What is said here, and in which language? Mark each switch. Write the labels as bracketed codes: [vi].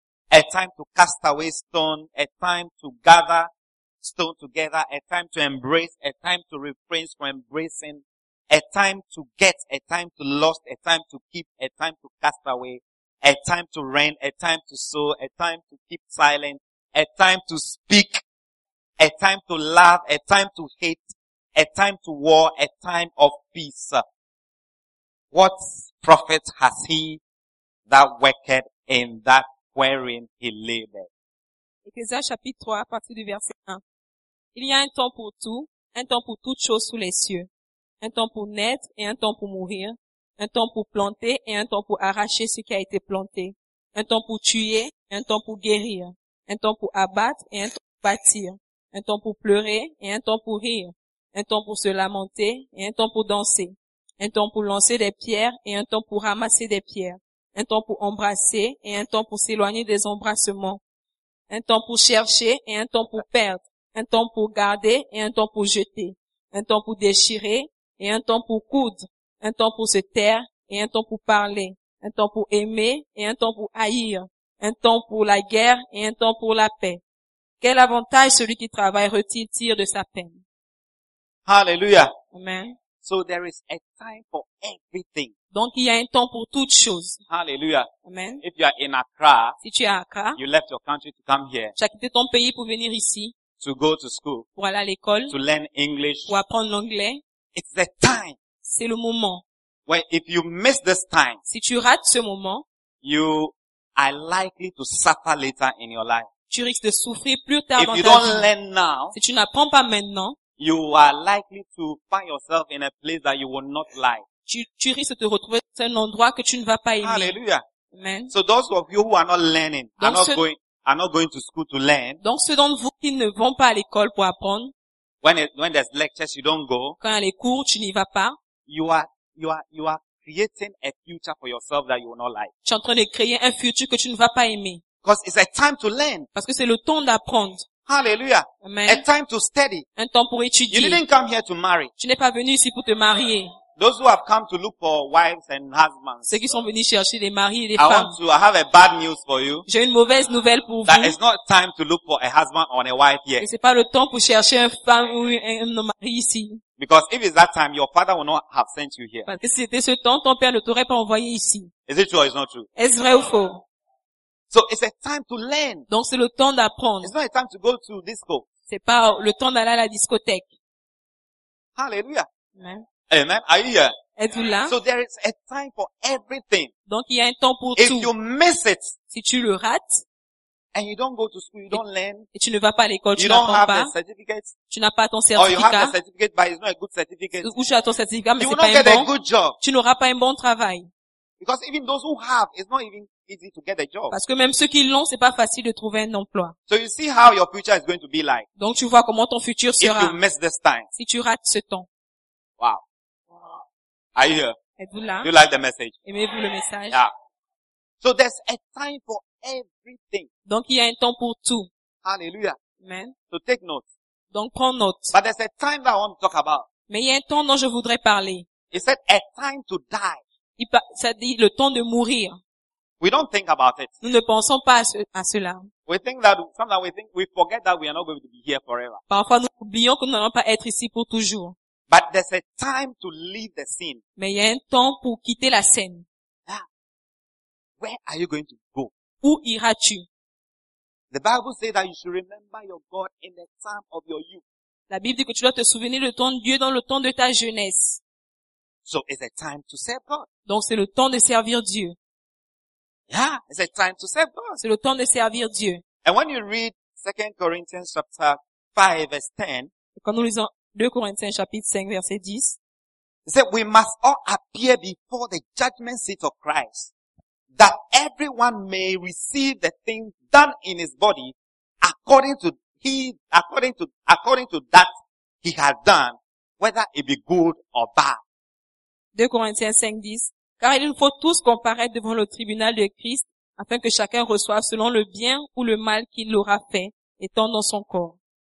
[en] a time to cast away stone, a time to gather stone together, a time to embrace, a time to refrain from embracing, a time to get, a time to lose, a time to keep, a time to cast away, a time to rend, a time to sow, a time to keep silent, a time to speak, a time to love, a time to hate, a time to war, a time of peace. What profit has he that worketh in that wherein he labored? [fr] Ecclésiastes chapitre 3, à partir du verset 1. Il y a un temps pour tout, un temps pour toutes choses sous les cieux. Un temps pour naître et un temps pour mourir. Un temps pour planter et un temps pour arracher ce qui a été planté. Un temps pour tuer et un temps pour guérir. Un temps pour abattre et un temps pour bâtir. Un temps pour pleurer et un temps pour rire. Un temps pour se lamenter et un temps pour danser. Un temps pour lancer des pierres et un temps pour ramasser des pierres. Un temps pour embrasser et un temps pour s'éloigner des embrassements. Un temps pour chercher et un temps pour perdre. Un temps pour garder et un temps pour jeter. Un temps pour déchirer et un temps pour coudre. Un temps pour se taire et un temps pour parler. Un temps pour aimer et un temps pour haïr. Un temps pour la guerre et un temps pour la paix. Quel avantage celui qui travaille retire de sa peine. Hallelujah. Amen. [en] So there is a time for everything. [fr] Donc il y a un temps pour toutes choses. Hallelujah. Amen. [en] If you are in Accra, [fr] si tu es à Accra, [en] you left your country to come here. [fr] Tu as quitté ton pays pour venir ici. [en] To go to school. [fr] Pour aller à l'école. [en] To learn English. [fr] Pour apprendre l'anglais. [en] It's the time. [fr] C'est le moment. [en] Well, if you miss this time, [fr] si tu rates ce moment, [en] you are likely to suffer later in your life. [fr] Tu risques de souffrir plus tard dans ta vie. [en] If you don't learn now, [fr] si tu n'apprends pas maintenant, [en] you are likely to find yourself in a place that you will not like. [fr] Tu risques de te retrouver dans un endroit que tu ne vas pas aimer. Hallelujah. Amen. [en] So those of you who are not learning, are not going to school to learn. [fr] Donc ceux d'entre vous qui ne vont pas à l'école pour apprendre. [en] When there's lectures, you don't go. [fr] Quand il y a les cours, tu n'y vas pas. [en] You are creating a future for yourself that you will not like. [fr] Tu es en train de créer un futur que tu ne vas pas aimer. [en] Because it's a time to learn. [fr] Parce que c'est le temps d'apprendre. Hallelujah. Amen. [en] A time to study. [fr] Un temps pour étudier. [en] You didn't come here to marry. [fr] Tu n'es pas venu ici pour te marier. [en] Those who have come to look for wives and husbands. [fr] Ceux qui sont venus chercher des maris et des [en] I [fr] femmes. [en] I have a bad news for you. [fr] J'ai une mauvaise nouvelle pour [en] that [fr] vous. [en] That it's not time to look for a husband or a wife yet. [fr] Et c'est pas le temps pour chercher une femme ou un mari ici. [en] Because if it's that time, your father will not have sent you here. [fr] Parce que c'était ce temps, ton père ne t'aurait pas envoyé ici. [en] Is it true or is it not true? [fr] Est-ce vrai ou faux? [en] So it's a time to learn. [fr] Donc c'est le temps d'apprendre. [en] It's not a time to go to disco. [fr] C'est pas le temps d'aller à la discothèque. Hallelujah. Amen. [en] Amen. Are you here? [fr] Êtes-vous là? [en] So there is a time for everything. [fr] Donc il y a un temps pour [en] if [fr] tout. [en] If you miss it, [fr] si tu le rates, [en] and you don't go to school, you don't learn. [fr] Et tu ne vas pas à l'école, [en] you [fr] tu n'apprends pas. [en] You don't have a certificate. [fr] Tu n'as pas ton certificat. [en] Or you have a certificate, but it's not a good certificate. [fr] Ou tu as ton certificat, mais [en] you [fr] c'est pas un bon. [en] You will not get a good job. [fr] Tu n'auras pas un bon travail. [en] Because even those who have, it's not even easy to get a job. [fr] Parce que même ceux qui l'ont, c'est pas facile de trouver un emploi. [en] So you see how your future is going to be like. [fr] Donc tu vois comment ton futur sera. [en] If you miss this time. [fr] Si tu rates ce temps. [en] Wow. Are you here? [fr] Êtes-vous là? [en] You like the message? [fr] Aimez-vous le message? Yeah. [en] So there's a time for everything. [fr] Donc il y a un temps pour tout. Hallelujah. Amen. [en] So take note. [fr] Donc prends note. [en] But there's a time that I want to talk about. [fr] Mais il y a un temps dont je voudrais parler. [en] It said a time to die. [fr] Ça dit le temps de mourir. [en] We don't think about it. [fr] Nous ne pensons pas à cela. [en] We think that sometimes we think we forget that we are not going to be here forever. [fr] Parfois nous oublions que nous n'allons pas être ici pour toujours. [en] But there's a time to leave the scene. [fr] Mais il y a un temps pour quitter la scène. Yeah. [en] Where are you going to go? [fr] Où iras-tu? [en] The Bible says that you should remember your God in the time of your youth. [fr] La Bible dit que tu dois te souvenir de ton Dieu dans le temps de ta jeunesse. [en] So it's a time to serve God. [fr] Donc c'est le temps de servir Dieu. [en] Yeah, it's a time to serve God. [fr] C'est le temps de servir Dieu. [en] And when you read 2 Corinthians chapter 5 verse 10, [fr] et quand nous lisons 2 Corinthiens chapitre 5 verset 10, [en] it says we must all appear before the judgment seat of Christ that everyone may receive the things done in his body according to that he has done, whether it be good or bad. [fr] 2 Corinthiens 5, 10. Car il faut tous comparaître devant le tribunal de Christ afin que chacun reçoive selon le bien ou le mal qu'il aura fait étant dans son corps.